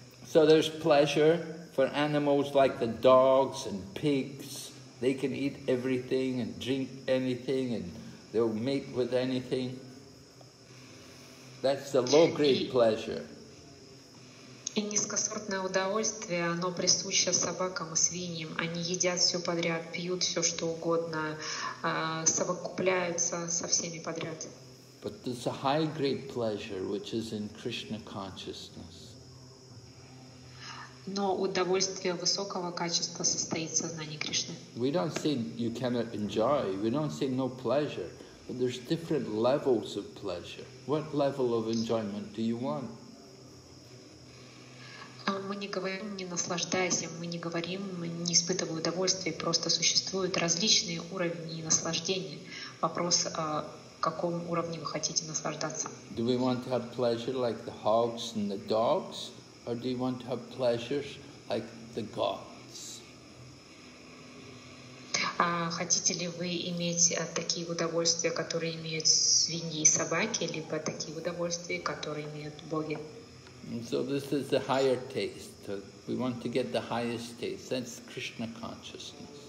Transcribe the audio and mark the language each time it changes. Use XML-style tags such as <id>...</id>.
<en>So there's pleasure for animals like the dogs and pigs. They can eat everything and drink anything and they'll mate with anything. That's the low-grade pleasure.</en> <ru>И низкосортное удовольствие, оно присуще собакам и свиньям. Они едят все подряд, пьют все что угодно, совокупляются со всеми подряд.</ru> <en>But there's a high-grade pleasure, which is in Krishna consciousness.</en> <ru>Но удовольствие высокого качества состоит в сознании Кришны.</ru> <en>We don't say you cannot enjoy, we don't say no pleasure, but there's different levels of pleasure. What level of enjoyment do you want?</en> <ru>Мы не говорим, не наслаждаясь, мы не говорим, не испытывая удовольствия, просто существуют различные уровни наслаждения. Вопрос, каком уровне вы хотите наслаждаться.</ru> <en>Do we want to have pleasure like the hogs and the dogs, or do you want to have pleasures like the gods?</en> <ru>Хотите ли вы иметь такие удовольствия, которые имеют свиньи и собаки, либо такие удовольствия, которые имеют боги?</ru> <en>And so this is the higher taste. We want to get the highest taste. That's Krishna consciousness.</en>